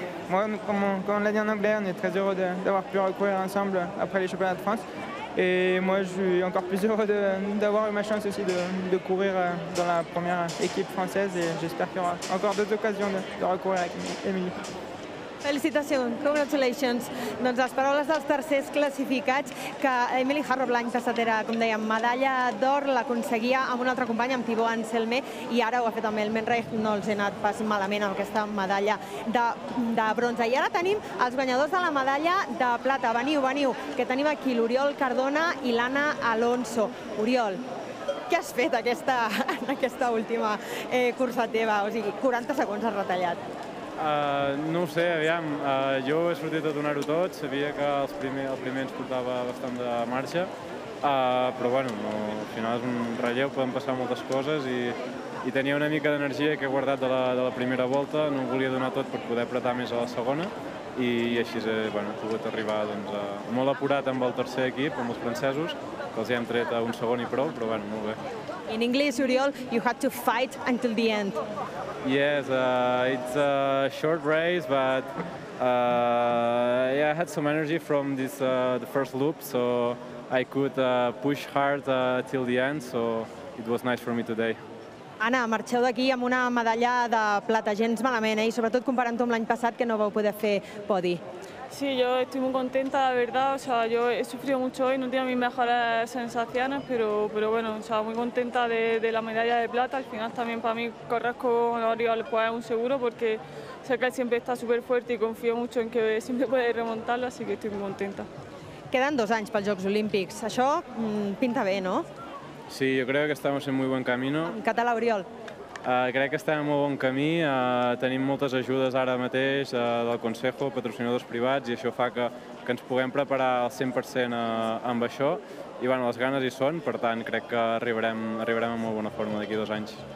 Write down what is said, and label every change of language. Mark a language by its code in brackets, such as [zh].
[fr] Moi, comme l'a dit en anglais, on est très heureux d'avoir pu recourir ensemble après les championnats de France. Et moi, je suis encore plus heureux d'avoir eu ma chance aussi de courir dans la première équipe française. Et j'espère qu'il y aura encore d'autres occasions de recourir avec Emilie. [ca] Felicitacions, [en] congratulations. [ca] Doncs les paraules dels tercers classificats, que Emily Harrow-Blanc, tercera, com dèiem, medalla d'or, l'aconseguia amb un altre company, amb Thibaut Anselme, i ara ho ha fet amb el Menreich, no els he anat pas malament amb aquesta medalla de bronze. I ara tenim els guanyadors de la medalla de plata. Veniu, veniu, que tenim aquí l'Oriol Cardona i l'Anna Alonso. Oriol, què has fet en aquesta última cursa teva? O sigui, 40 segons has retallat. No ho sé, aviam, jo he sortit a donar-ho tot, sabia que el primer ens portava bastant de marxa, però bueno, no, al final és un relleu, poden passar moltes coses i tenia una mica d'energia que he guardat de la primera volta, no ho volia donar tot per poder apretar més a la segona i així bueno, he pogut arribar doncs, molt apurat amb el tercer equip, amb els francesos, que els hi hem tret a un segon i prou, però bueno, molt bé. [en] In English, Oriol, you had to fight until the end. Yes, it's a short race, but yeah, I had some energy from this the first loop, so I could push hard till the end, so it was nice for me today. [ca] Anna, marxeu d'aquí amb una medalla de plata, gens malament, i sobretot comparant-ho amb l'any passat, que no vau poder fer podi. [es] Sí, yo estoy muy contenta, la verdad. O sea, yo he sufrido mucho hoy, no tenía mis mejores sensaciones, pero bueno, o sea, muy contenta de la medalla de plata. Al final también para mí correr con Oriol pues es un seguro porque sé que él siempre está súper fuerte y confío mucho en que siempre puede remontarlo, así que estoy muy contenta. Quedan dos años para los Juegos Olímpicos. [ca] Això pinta bé, ¿no? [es] Sí, yo creo que estamos en muy buen camino. [ca] En català, Oriol. Crec que estem en molt bon camí, tenim moltes ajudes ara mateix del Consejo, patrocinadors privats, i això fa que ens puguem preparar al 100% amb això. I bueno, les ganes hi són, per tant, crec que arribarem en molt bona forma d'aquí dos anys.